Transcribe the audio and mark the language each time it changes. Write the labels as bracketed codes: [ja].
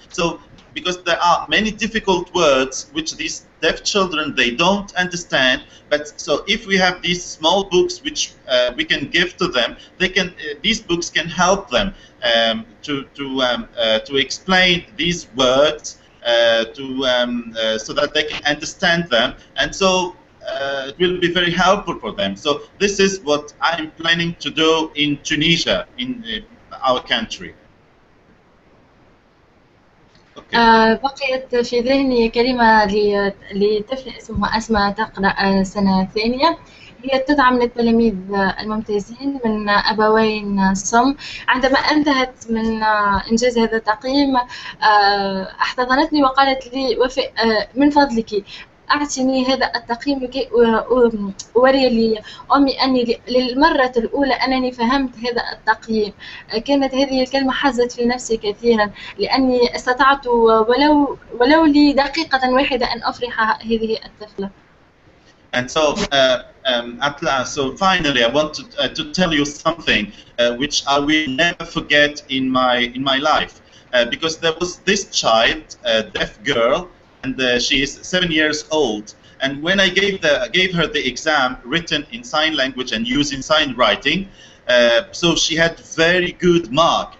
[en] So because there are many difficult words which these deaf children they don't understand, but so if we have these small books which we can give to them, they can these books can help them to explain these words so that they can understand them. And so it will be very helpful for them. So this is what I'm planning to do in Tunisia, in our country. [ar] بقيت في ذهني كلمة لطفل اسمه أسماء تقرأ سنة ثانية هي تدعم للتلاميذ الممتازين من أبوين صم عندما انتهت من إنجاز هذا التقييم احتضنتني وقالت لي وفاء من فضلك أعطني هذا التقييم لكي أوري لأمي أني للمرة الأولى أنني فهمت هذا التقييم. كانت هذه الكلمة حزت في نفسي كثيرا لأني استطعت ولو لدقيقة واحدة أن أفرح هذه الطفلة. [en] And so at last, so finally I want to tell you something which I will never forget in my life because there was this child, a deaf girl. And she is 7 years old. And when I gave her the exam written in sign language and using sign writing, so she had very good mark.